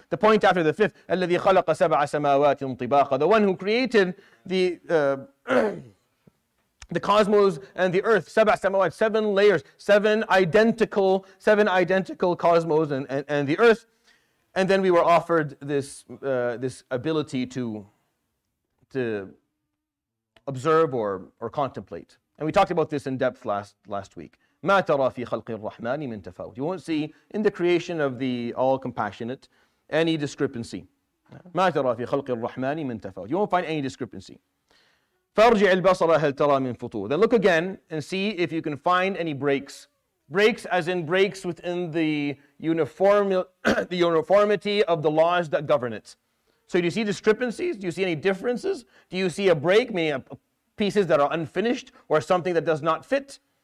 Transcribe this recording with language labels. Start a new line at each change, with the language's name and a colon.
English: The point after the fifth,
Arabic: الَّذِي خَلَقَ سَبْعَ سَمَاوَاتٍ طِبَاقًا,
English: the one who created the cosmos and the earth, سبع سماوات, seven layers, seven identical cosmos and the earth. And then we were offered this ability to observe or contemplate. And we talked about this in depth last week.
Arabic: ما ترى في خلق الرحمن من تفاوت.
English: You won't see in the creation of the all-compassionate any discrepancy.
Arabic: ما ترى في خلق الرحمن من تفاوت.
English: You won't find any discrepancy.
Arabic: فارجع البصر هل ترى من فطور.
English: Then look again and see if you can find any breaks. Breaks as in breaks within the uniformity of the laws that govern it. So do you see discrepancies? Do you see any differences? Do you see a break, meaning pieces that are unfinished or something that does not fit?